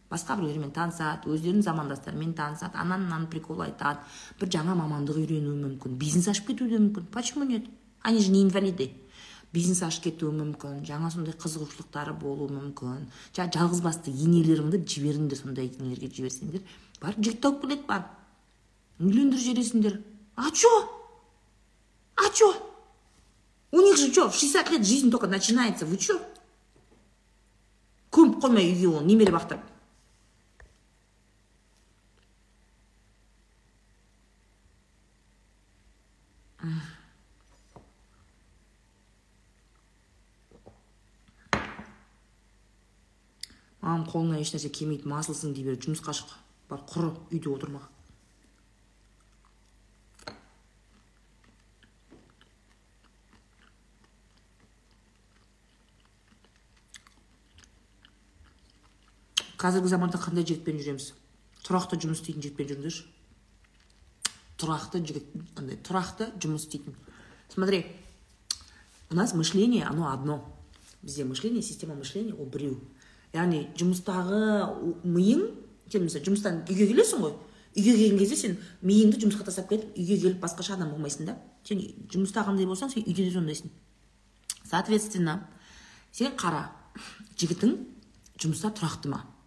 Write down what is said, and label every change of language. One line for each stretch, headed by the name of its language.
Kazakh: Басқа біреулермен танысады, өздерінің замандастарымен танысады, ананан прикол айтады, бір жаңа мамандық үйренуі мүмкін, бизнес ашып кетуі де мүмкін.
Russian: Почему нет? Они же не инвалиды.
Kazakh: Бизнес ашып кетуі мүмкін, жаңа сондай қызығушылықтары болуы мүмкін. Жалғыз басты енелеріңді жіберіңдер, сондай енелерге жіберсеңдер. Бар, жігіт тауып келеді, бар. Үйлендіріп жібересіңдер.
Russian: А что? А что? У них же что, 60 лет жизнь только начинается, вы что?
Kazakh: Көміп қоймай үйге оны, немере бақтырып. Мамам қолына еш нәрсе келмейді, масылсың дей береді, жұмысқа шық, бар құр үйде отырма. Қазіргі заманда қандай жігітпен жүреміз? Тұрақты жұмыс істейтін жігітпен жүріңдерші. Тұрақты жігіт, қандай тұрақты жұмыс істейтін.
Russian: Смотри. У нас мышление, оно одно.
Kazakh: Бізде мышление,
Russian: система мышления
Kazakh: ол біреу. Яғни жұмыстағы миың, сен мысалы жұмыстан үйге келесің ғой. Үйге келген кезде сен миыңды жұмысқа тасап кетіп, үйге келіп басқаша адам болмайсың да. Сен жұмыстағандай болсаң, сен үйде де сондайсың. Соответственно, сен қара жігітің жұмыста тұрақты ма?